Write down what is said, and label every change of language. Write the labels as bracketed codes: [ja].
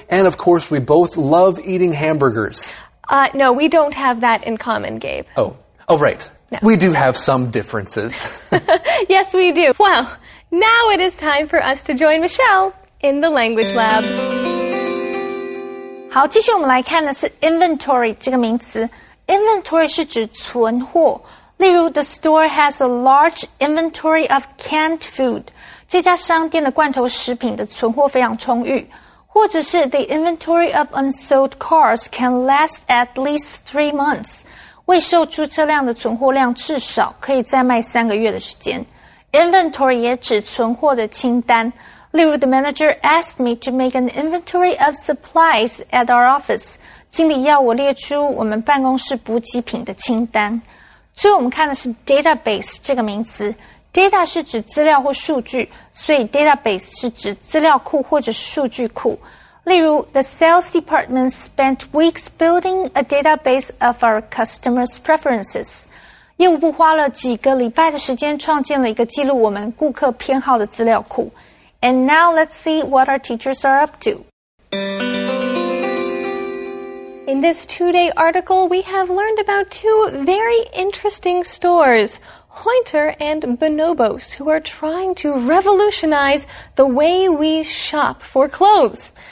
[en] And of course, we both love eating hamburgers. No, we don't have that in common, Gabe. Oh, right. No. We do have some differences. Yes, we do. Well, now it is time for us to join Michelle in the language lab. [zh] 好，继续我们来看的是 inventory 这个名词。Inventory 是指存货。例如 [en] ,the store has a large inventory of canned food. [zh] 这家商店的罐头食品的存货非常充裕。或者是 [en] ,the inventory of unsold cars can last at least 3 months. [zh] 未售出车辆的存货量至少可以再卖三个月的时间。 Inventory 也指存货的清单。例如 [en] ,the manager asked me to make an inventory of supplies at our office. [zh] 经理要我列出我们办公室补给品的清单。最后我们看的是 database 这个名词。data 是指资料或数据,所以 database 是指资料库或者数据库。例如 [en] ,the sales department spent weeks building a database of our customers' preferences. [zh] 业务部花了几个礼拜的时间创建了一个记录我们顾客偏好的资料库。 [en] And now let's see what our teachers are up to. In this 2-day article, we have learned about two very interesting stores, Hoynter and Bonobos, who are trying to revolutionize the way we shop for clothes.